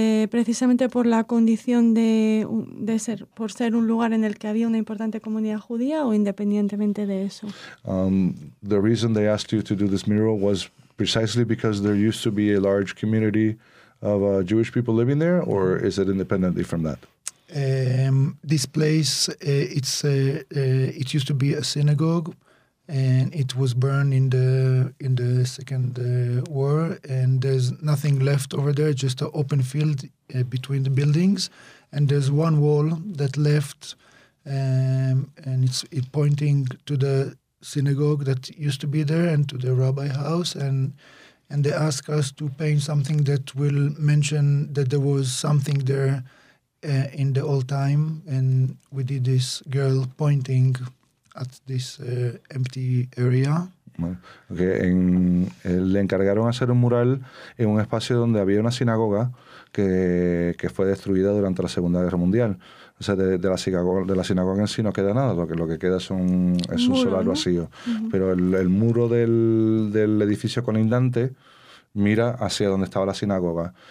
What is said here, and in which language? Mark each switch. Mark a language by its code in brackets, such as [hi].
[es] Precisamente por la condición de ser un lugar en el que había una importante comunidad judía, o independientemente de eso. [en] The reason they asked you to do this mural was precisely because there used to be a large community of Jewish people living there, or is it independently from that? This place, it used to be a synagogue, and it was burned in the Second War, and there's nothing left over there, just an open field between the buildings, and there's one wall that left, and it's pointing to the synagogue that used to be there and to the rabbi house. And they ask us to paint something that will mention that there was something there in the old time. And we did this girl pointing at this empty area. Okay. [es] Le encargaron hacer un mural en un espacio donde había una sinagoga que fue destruida durante la Segunda Guerra Mundial. O sea, de la sinagoga en sí no queda nada, lo que queda es un muro, solar, ¿no? Vacío. Uh-huh. Pero el muro del edificio colindante mira hacia donde estaba la sinagoga.